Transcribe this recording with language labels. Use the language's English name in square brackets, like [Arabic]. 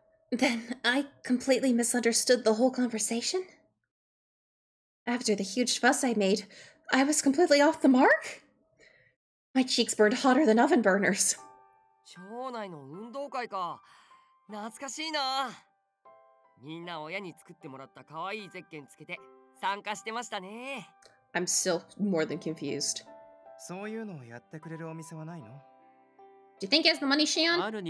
[English] Then I completely misunderstood the whole conversation? After the huge fuss I made, I was completely off the mark? My cheeks burned hotter than oven burners. [Japanese] 町内の運動会か。懐かしいな。みんな親に作ってもらった可愛いゼッケンつけて参加してましたね。 [English] I'm still more than confused. [Japanese] そういうのをやってくれるお店はないの? [English] Do you think he has the money, Shion?